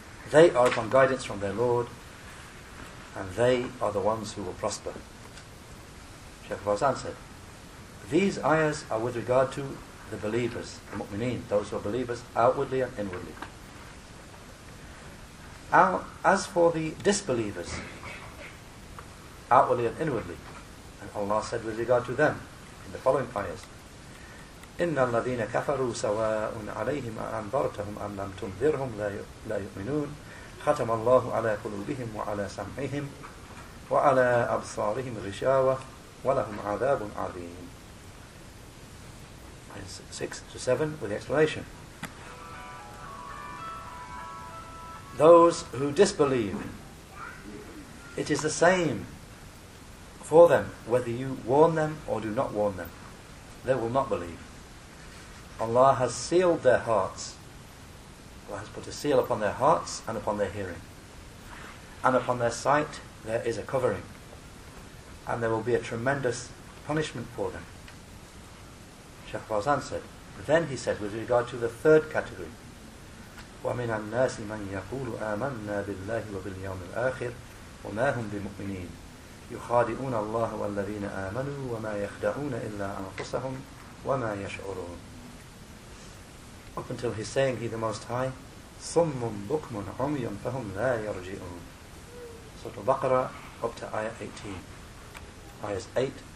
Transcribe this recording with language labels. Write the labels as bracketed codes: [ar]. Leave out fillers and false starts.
[en] They are upon guidance from their Lord, and they are the ones who will prosper. Shaykh Fawzan said, these ayahs are with regard to the believers, the mu'mineen, those who are believers outwardly and inwardly. As for the disbelievers, outwardly and inwardly, and Allah said with regard to them, in the following ayahs, [ar] إِنَّ الَّذِينَ كَفَرُوا سَوَاءٌ عَلَيْهِمْ أَأَنذَرْتَهُمْ أَمْ لَمْ تُنذِرْهُمْ لَا يُؤْمِنُونَ خَتَمَ اللَّهُ عَلَى قُلُوبِهِمْ وَعَلَى سَمْعِهِمْ وَعَلَى أَبْصَارِهِمْ غِشَاوَةٌ وَلَهُمْ عَذَابٌ عَظِيمٌ. [en] 6-7 with the explanation. Those who disbelieve, it is the same for them whether you warn them or do not warn them. They will not believe. Allah has sealed their hearts. Allah has put a seal upon their hearts and upon their hearing. And upon their sight there is a covering. And there will be a tremendous punishment for them. Shaykh Fawzan said, then he said with regard to the third category, [ar] وَمِنَ النَّاسِ مَنْ يَقُولُ آمَنَّا بِاللَّهِ وَبِالْيَوْمِ الْآخِرِ وَمَا هُمْ بِمُؤْمِنِينَ يُخَادِعُونَ اللَّهَ وَالَّذِينَ آمَنُوا وَمَا يَخْدَعُونَ إِلَّا أَنْفُسَهُمْ وَمَا يَشْعُرُونَ. [en] Up until his saying, He the Most High, [ar] صُمٌّ بُكْمٌ عُمْيٌ فَهُمْ لَا يَرْجِئُونَ. [en] Surah Al-Baqarah, up to Ayah 18. Ayahs 8-18.